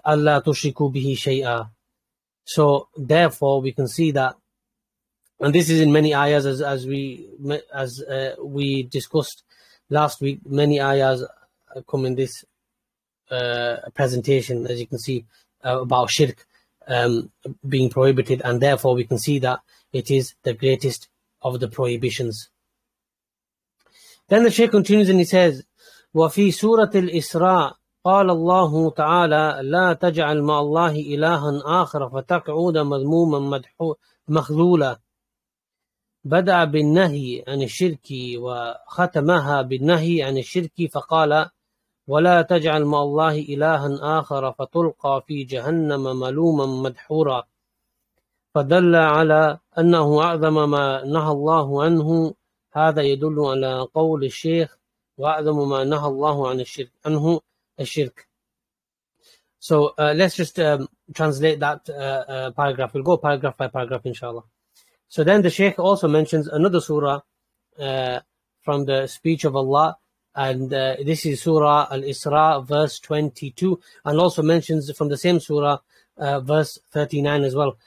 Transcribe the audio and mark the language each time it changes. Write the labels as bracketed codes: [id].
[ar] Allah tushriku bihi shay'a. [en] So therefore we can see that, and this is in many ayahs, as we discussed last week, many ayahs come in this presentation, as you can see, about shirk being prohibited, and therefore we can see that it is the greatest of the prohibitions. Then the Shaykh continues and he says, [ar] وَفِي سُورَةِ الْإِسْرَاءِ قَالَ اللَّهُ تَعَالَى لَا تَجْعَلْ مَعَ اللَّهِ إِلَهًا آخَرَ فَتَقْعُودَ مَذْمُومًا مَخْذُولًا بَدَعَ بِالنَّهِي عَنِ الشِّرْكِ وَخَتَمَهَا بِالنَّهِي عَنِ الشِّرْكِ فَقَالَ وَلَا تَجْعَلْ مَعَ اللَّهِ إِلَهًا آخَرَ فَتُلْقَى فِي جَهَنَّمَ مَلُومًا مَدْحُورًا فَدَلَّ عَلَى أَنَّهُ أَعْظَمَ مَا نَهَى اللَّهُ عَنْهُ هَذَا يَدُلُّ عَلَى قَوْلِ الشَّيْخِ وَأَعْظَمُ مَا نَهَى اللَّهُ عَنِ الشِّرْكِ عَنْهُ الشِّرْكِ. [en] So let's just translate that paragraph. We'll go paragraph by paragraph, inshallah. So then the Shaykh also mentions another surah from the speech of Allah. And this is Surah Al-Isra, verse 22. And also mentions from the same surah, verse 39 as well.